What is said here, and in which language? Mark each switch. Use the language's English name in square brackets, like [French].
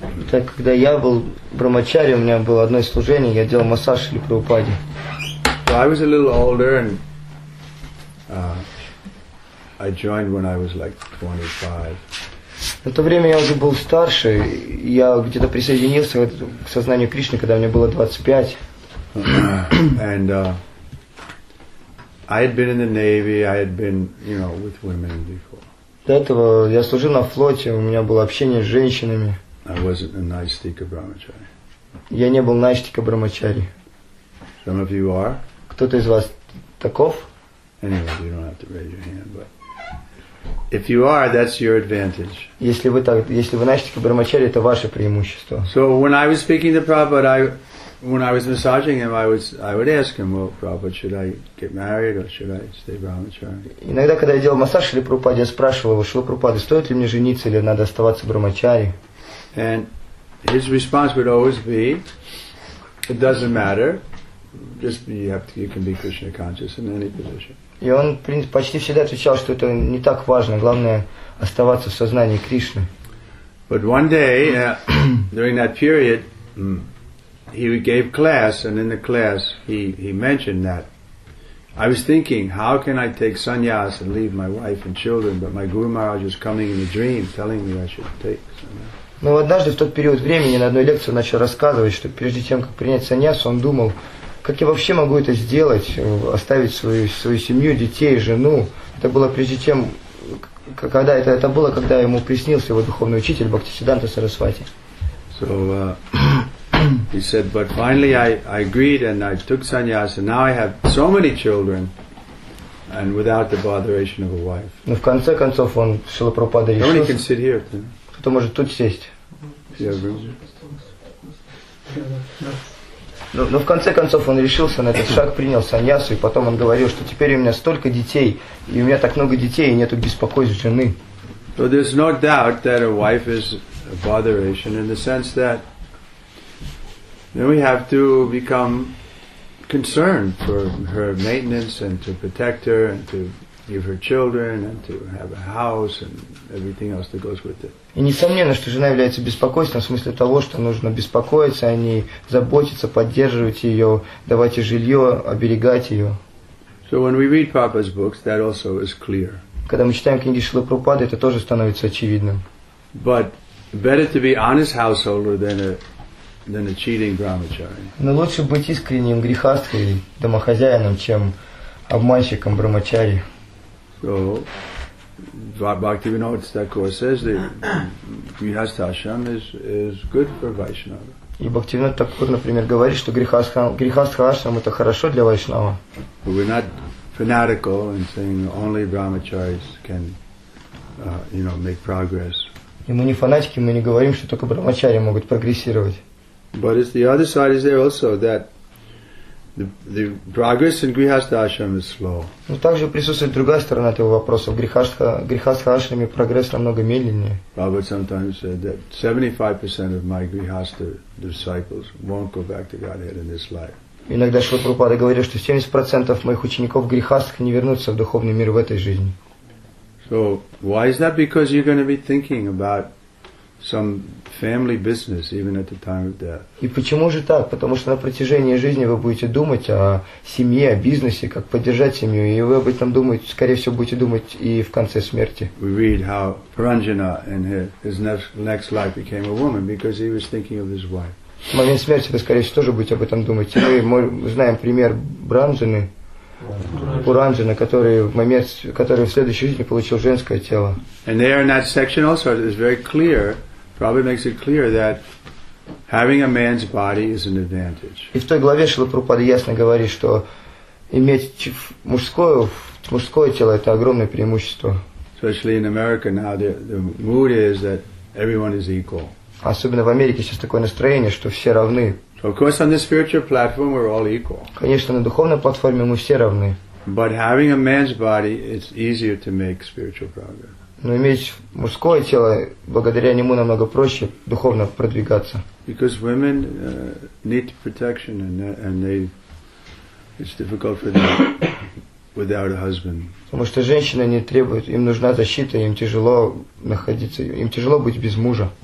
[Russian] Так, когда я был брахмачари, у меня было одно из служений, я делал массаж Шри Прабхупаде. [English] So I was a little older and I joined when I was like 25. [Russian] На то время я уже был старше, я где-то присоединился к сознанию Кришны, когда мне было 25. [English] And I had been in the Navy, I had been, you know, with women before. [Russian] До этого я служил на флоте, у меня было общение с женщинами. [English] I wasn't a Naishtika Brahmachari. [Russian] Я не был Naishtika Brahmachari. [English] Some of you are. [Russian] Кто-то из вас таков? [English] Anyway, you don't have to raise your hand, but if you are, that's your advantage. [Russian] Если вы Naishtika Brahmachari, это ваше преимущество. [English] So when I was speaking to Prabhupada, when I was massaging him, I would ask him, well, Prabhupada, should I get married or should I stay brahmachari? [Russian] Иногда, когда я делал массаж Шри Прабхупаде, я спрашивал его, Шри Прабхупада, стоит ли мне жениться или надо оставаться брахмачари? [English] And his response would always be, it doesn't matter, you can be Krishna conscious in any position. [Russian] И он почти всегда отвечал, что это не так важно, главное оставаться в сознании Кришны. [English] But one day, during that period, he gave class, and in the class he mentioned that. I was thinking, how can I take sannyas and leave my wife and children, but my Guru Maharaj was coming in a dream, telling me I should take sannyas. [Russian] Но однажды в тот период времени на одной лекции он начал рассказывать, что прежде чем как принять саньясу, он думал, как я вообще могу это сделать, оставить свою семью, детей, жену. Это было прежде чем, когда это было, когда ему приснился его духовный учитель Бхактисиддханта Сарасвати. [English] So he said, but finally I agreed and I took sannyas and now I have so many children. And without the botheration of a wife. [Russian] Но в конце концов он Шрила Прабхупада решил. [English] Nobody can sit here. [Russian] Кто может тут сесть? [English] Yeah, really? [Russian] Но в конце концов он решился на этот шаг, принял саньясу, и потом он говорил, что теперь у меня столько детей, и у меня так много детей, и нету беспокойств жены. [English] So there's no doubt that a wife is a botheration in the sense that then we have to become concerned for her maintenance and to protect her and to give her children and to have a house and everything else that goes with it. [Russian] И несомненно, что жена является беспокойством в смысле того, что нужно беспокоиться о ней, заботиться, поддерживать ее, давать ей жилье, оберегать ее. [English] So when we read Prabhupada's books, that also is clear. [Russian] Когда мы читаем книги Шрилы Прабхупады, это тоже становится очевидным. [English] But better to be honest householder than a cheating brahmachari. [Russian] Но лучше быть искренним грехасткой, домохозяином, чем обманщиком брахмачари. [English] So, Bhaktivinoda Thakur says that grihasthasram is good for Vaishnava. [Russian] И Бхактивинода Такур, например, говорит, что грихастхасрам это хорошо для вайшнава. [English] We're not fanatical in saying only brahmacharis can, you know, make progress. [Russian] И мы не фанатики, мы не говорим, что только брахмачари могут прогрессировать. [English] But it's the other side is there also that the progress in grihasthasram is slow. [Russian] Но также присутствует другая сторона этого вопроса. В грихастхасраме прогресс намного медленнее. [English] Prabhupada sometimes said that 75% of my grihastha disciples won't go back to Godhead in this life. [Russian] Иногда Шрила Прабхупада говорил, что 70% моих учеников грихастх не вернутся в духовный мир в этой жизни. [English] So why is that? Because you're going to be thinking about some family business even at the time of death. [Russian] И почему же так? Потому что на протяжении жизни вы будете думать о семье, о бизнесе, как поддержать семью, и вы об этом думаете, скорее всего, будете думать и в конце смерти. [English] We read how Paranjana in his next life became a woman because he was thinking of his wife. [Russian] В момент смерти вы, скорее всего, тоже будете об этом думать. Мы знаем пример Бранджаны, Пуранджана, который в следующей жизни получил женское тело. [English] And there in that section also it is very clear, probably makes it clear that having a man's body is an advantage. [Russian] И в той главе Шрилы Прабхупады ясно говорит, что иметь мужское тело это огромное преимущество. [English] Especially in America now the mood is that everyone is equal. [Russian] Особенно в Америке сейчас такое настроение, что все равны. [English] Of course, on the spiritual platform, we're all equal. [Russian] Конечно, на духовной платформе мы все равны. [English] But having a man's body, it's easier to make spiritual progress. [Russian] Но иметь мужское тело, благодаря нему намного проще духовно продвигаться. [English] Because women need protection, it's difficult for them without a husband. [Russian] Потому что женщины не требуют, им нужна защита, им тяжело быть без мужа.